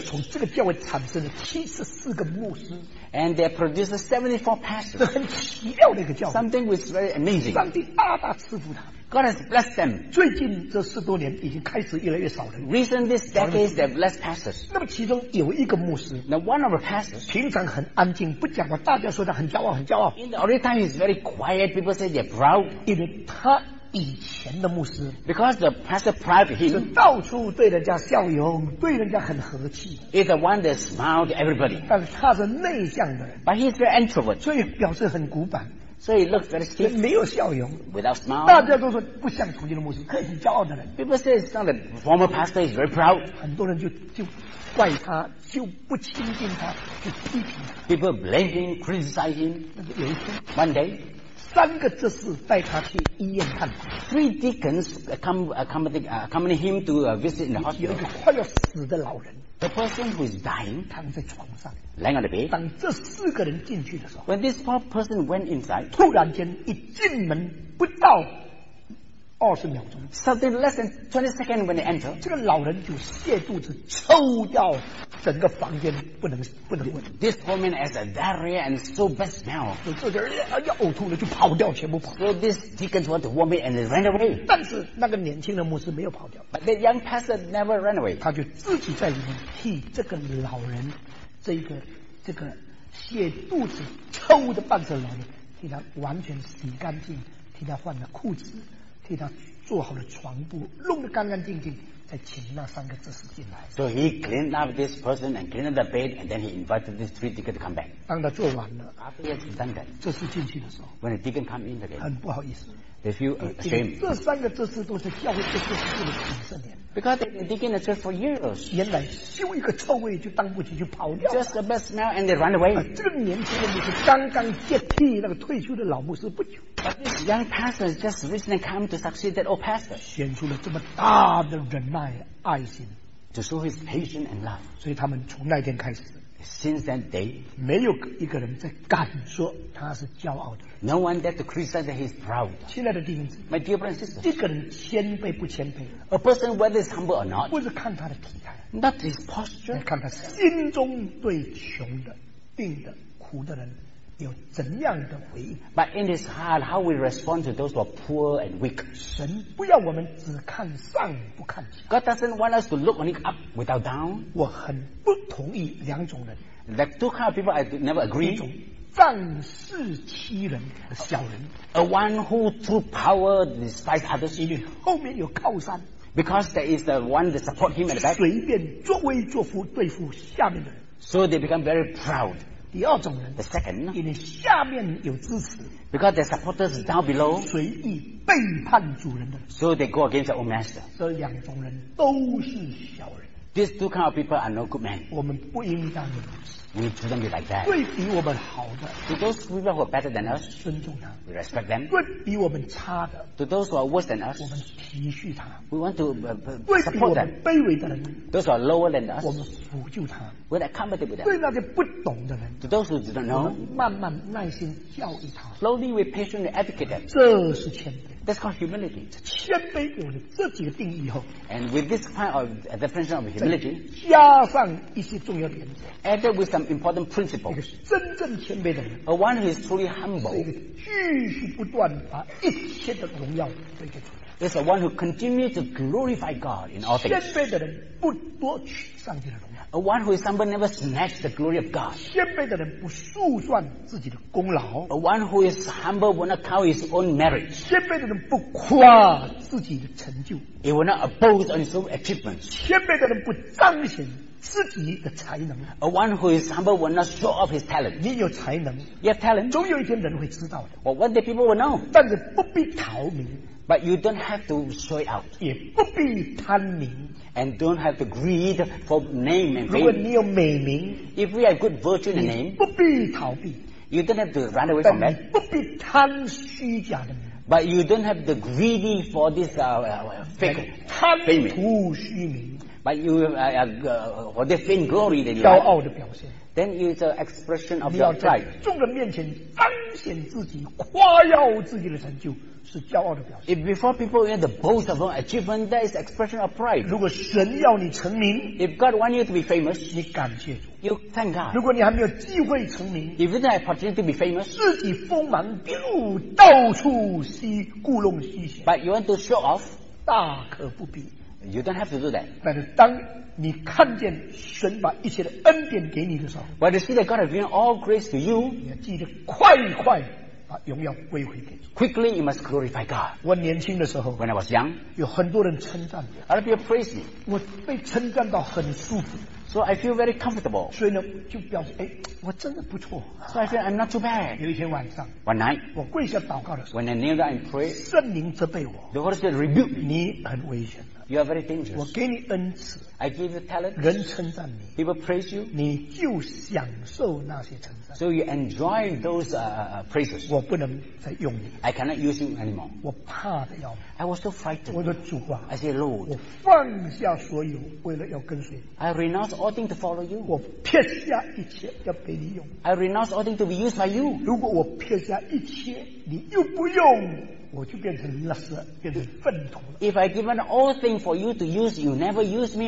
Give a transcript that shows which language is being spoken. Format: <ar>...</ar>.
<zh>从这个教会产生了74个牧师</zh> <en>and they produced 74 pastors</en> <zh>这很奇妙的一个教会</zh> <en>something was very amazing</en> <zh>上帝大大赐福他</zh> <en>God has blessed them</en> <zh>最近这十多年已经开始越来越少人</zh> <en>recent this decade they've less pastors</en> <zh>那么其中有一个牧师</zh> <en>now one of the pastors</en> <zh>平常很安静不讲话大家说他很骄傲很骄傲</zh> <en>in the early time he's very quiet people say they're proud</en> <zh>因为他以前的牧师</zh> <en>because the pastor prior to him</en> <zh>是到处对人家笑容对人家很和气</zh> <en>he's the one that smiled at everybody</en> <zh>但是他是内向的人</zh> <en>but he's very introvert</en> <zh>所以表示很古板</zh> <en>So he looks very stiff.</en> <zh>没有笑容</zh> <en>without smile.</en> <zh>大家都说不像从前的牧师，可是很骄傲的人。</zh> <en>People say it's not the former pastor is very proud.</en> <zh>很多人就怪他，就不亲近他，就批评他。</zh> <en>People blame him, criticize him.</en> <zh>有一天</zh> <en>，one day，</en> <zh>三个执事带他去医院看。</zh> <en>Three deacons accompany him to visit in the hospital.</en> <zh>有一个快要死的老人。</zh> <en>The person who is dying,</en> <zh>躺在床上</zh> <en>laying on the bed.</en> <zh>当这四个人进去的时候</zh> <en>when this poor person went inside,</en> <zh>突然间一进门不到二十秒钟</zh> <en>something less than 20 seconds when they enter.</en> <zh>这个老人就泻肚子，抽掉整个房间不能问</zh> <en>This poor man has a diarrhea and so bad smell.</en> <zh>就这个要呕吐了，就跑掉，全部跑。</zh> <en>So this deacon went to vomit and ran away.</en> <zh>但是那个年轻的牧师没有跑掉。</zh> <en>But the young pastor never ran away.</en> <zh>他就自己在里面替这个老人，这个泻肚子抽的半死老人，替他完全洗干净，替他换了裤子，替他做好了床铺，弄得干干净净，才请那三个执事进来。</zh> <en>So he cleaned up this person and cleaned up the bed, and then he invited these three deacons to come back.</en> <zh>当他做完了</zh> <en>，After he has done that,</en> <zh>执事进去的时候</zh> <en>，When the deacon come in again,</en> <zh>很不好意思</zh> <en>，They feel ashamed.</en> <zh>这三个执事都是教会执事的子孙。</zh> <en>Because they've been digging the church for years.</en> <zh>原来修一个臭味就当不起就跑掉。</zh> <en>Just the bad smell and they run away.</en> <zh>这个年轻人是刚刚接替那个退休的老牧师不久。</zh> <en>But this young pastor just recently come to succeed that old pastor.</en> <zh>显出了这么大的忍耐爱心。</zh> <en>To show his patience and love.</en> <zh>所以他们从那天开始。</zh> <en>Since that day,</en> <zh>没有一个人在敢说他是骄傲的。</zh> <en>No one dared to criticize that he's proud.</en> <zh>亲爱的弟兄姊妹</zh> <en>my dear brothers and sisters,</en> <zh>一个人谦卑不谦卑</zh> <en>a person whether he's humble or not,</en> <zh>不是看他的体态</zh> <en>not his posture,</en> <zh>看他心中对穷的、病的、苦的人有怎样的回应</zh> <en>but in his heart, how we respond to those who are poor and weak.</en> <zh>神不要我们只看上不看下</zh> <en>God doesn't want us to look only up without down.</en> <zh>我很不同意两种人</zh> <en>the two kind of people I never agree.</en> <zh>一种仗势欺人的小人</zh> <en>a one who through power despise others.</en> <zh>因为后面有靠山</zh> <en>because there is the one that support him at the back.</en> <zh>随便作威作福对付下面的人</zh> <en>so they become very proud.</en> <zh>第二种人</zh> <en>the second,</en> <zh>因为下面有支持</zh> <en>because their supporters down below</en> <zh>随意背叛主人的</zh> <en>so they go against their own master</en> <zh>这两种人都是小人</zh> <en>these two kind of people are no good men</en> <zh>我们不应当如此</zh> <en>we shouldn't be like that</en> <zh>对比我们好的</zh> <en>to those people who are better than us</en> <zh>尊重他</zh> <en>we respect them</en> <zh>对比我们差的</zh> <en>to those who are worse than us</en> <zh>我们体恤他</zh> <en>we want to support them</en> <zh>对比我们卑微的人</zh> <en>those who are lower than us</en> <zh>我们辅助他</zh> <en>We accommodate with them.</en> <zh>对那些不懂的人</zh> <en>To those who do not know,</en> <zh>慢慢耐心教育他</zh> <en>Slowly we patiently educate them.</en> <zh>这是谦卑</zh> <en>That's called humility.</en> <zh>谦卑有了这几个定义后</zh> <en>And with this kind of definition of humility,</en> <zh>加上一些重要原则</zh> <en>Added with some important principles.</en> <zh>一个真正谦卑的人</zh> <en>A one who is truly humble.</en> <zh>是一个继续不断把一切的荣耀对给主</zh> <en>There's the one who continues to glorify God in all things.</en> <zh>谦卑的人不夺取上帝的荣耀。</zh> <en>A one who is humble never snatches the glory of God.</en> <zh>谦卑的人不数算自己的功劳。</zh> <en>A one who is humble will not count his own merit.</en> <zh>谦卑的人不夸自己的成就。</zh> <en>He will not boast on his own achievements.</en> <zh>谦卑的人不彰显自己的才能。</zh> <en>A one who is humble will not show off his talent.</en> <zh>你有才能。</zh> <en>You have talent.</en> <zh>总有一天人会知道的。</zh> <en>Well, one day people will know.</en> <zh>但是不必逃名。</zh> <en>But you don't have to show it out.</en> <zh>也不必贪名</zh> <en>And don't have to greed for name and fame.</en> <zh>如果你有美名</zh> <en>If we have good virtue and name,</en> <zh>不必逃避</zh> <en>You don't have to run away from that.</en> <zh>不必贪虚假的名</zh> <en>But you don't have the greedy for this fake fame.</en> <zh>贪图虚名</zh> <en>But you for the fame glory that you have.</en> <zh>骄傲的表现</zh> <en>Then it's an expression of your pride.</en> <zh>你要在众人面前彰显自己，夸耀自己的成就。是骄傲的表现。</zh> <en>If before people hear the boast of an achievement, that is expression of pride.</en> <zh>如果神要你成名</zh> <en>，If God wants you to be famous,</en> <zh>你感谢主。</zh> <en>You thank God.</en> <zh>如果你还没有机会成名</zh> <en>，If you don't have opportunity to be famous,</en> <zh>自己锋芒毕露，到处虚故弄虚显。</zh> <en>But you want to show off,</en> <zh>大可不必。</zh> <en>You don't have to do that.</en> <zh>但是当你看见神把一切的恩典给你的时候</zh> <en>，When you see that God has given all grace to you,</en> <zh>你要记得快快。把荣耀归回给主。</zh> <en>Quickly, you must glorify God.</en> <zh>我年轻的时候</zh> <en>，When I was young,</en> <zh>有很多人称赞我。</zh> <en>Other people praise me.</en> <zh>我被称赞到很舒服</zh> <en>，So I feel very comfortable.</en> <zh>所以呢，就表示哎，我真的不错。</zh> <en>So I feel I'm not too bad.</en> <zh>有一天晚上</zh> <en>，One night,</en> <zh>我跪下祷告的时候</zh> <en>，When I kneel down and pray,</en> <zh>圣灵责备我</zh> <en>，The Holy Spirit rebuked me.</en> <zh>你很危险。</zh> <en>You are very dangerous.</en> <zh>我给你恩赐</zh> <en>I give you talent.</en> <zh>人称赞你</zh> <en>People praise you.</en> <zh>你就享受那些称赞</zh> <en>So you enjoy those praises.</en> <zh>我不能再用你</zh> <en>I cannot use you anymore.</en> <zh>我怕得要命</zh> <en>I was so frightened.</en> <zh>我的主啊</zh> <en>I say Lord.</en> <zh>我放下所有为了要跟随</zh> <en>I renounce all things to follow you.</en> <zh>我撇下一切要被你用</zh> <en>I renounce all things to be used by you.</en> <zh>如果我撇下一切你又不用我就变成垃圾，变成粪土了。</zh> <en>If I given all things for you to use, you never use me.</en>